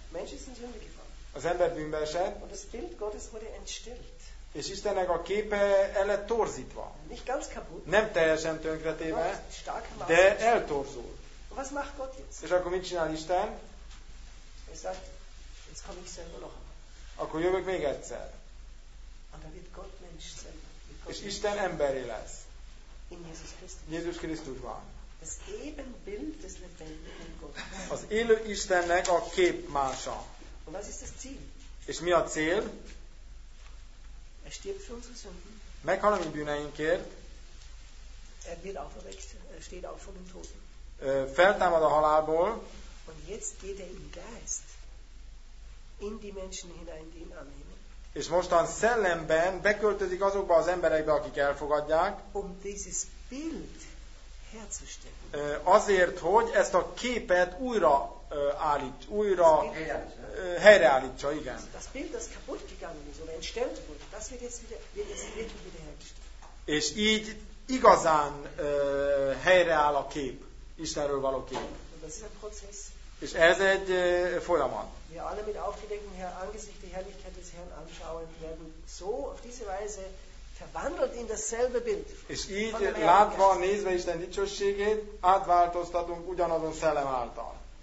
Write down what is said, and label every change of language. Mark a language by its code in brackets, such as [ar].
[de] Mensch ist in Sünde gefallen. [hu] Az ember bűnbe esett. [de] Und das Bild Gottes wurde entstellt. [hu] És Istennek a képe el lett torzítva. [de] Nicht ganz kaputt. [hu] Nem teljesen tönkretéve, de eltorzult. [de] Was macht Gott jetzt? [hu] És akkor mit csinál Isten? [de] Er sagt, jetzt komme ich selber noch. [hu] Akkor jövök még egyszer. [de] Und wird Gott Mensch sein. [hu] És Isten emberé lesz. [de] In Jesus Christus. [hu] Jézus Krisztusban. [de] Das Ebenbild des lebendigen Gottes. [hu] Az élő Istennek a képmása. [de] Und was ist das Ziel? [hu] És mi a cél? [de] Er stirbt für unsere Sünden. [hu] Meghal a mi bűneinkért. [de] Er wird auferweckt. Er steht auf von den Toten. [hu] Feltámad a halálból. [de] Und jetzt geht er im Geist. In die Menschen hinein, die ihn annehmen. [hu] És mostan szellemben beköltözik azokba az emberekbe, akik elfogadják. [de] Um dieses Bild herzustellen. [hu] Azért, hogy ezt a képet újra állít, újra helyreállítsa, igen. [de] Das Bild, das kaputt gegangen ist oder entstellt wurde, das wird jetzt wieder hergestellt. [hu] És így igazán helyreáll a kép, Istenről való kép. [de] Und das ist ein Prozess. [hu] És ez egy folyamat. [de] Wir alle mit aufgedeckten Angesicht die Herrlichkeit des Herrn anschauen werden so auf diese Weise verwandelt in dasselbe Bild. [hu] És így látva, nézve Isten dicsőségét, átváltoztatunk ugyanazon szellem által.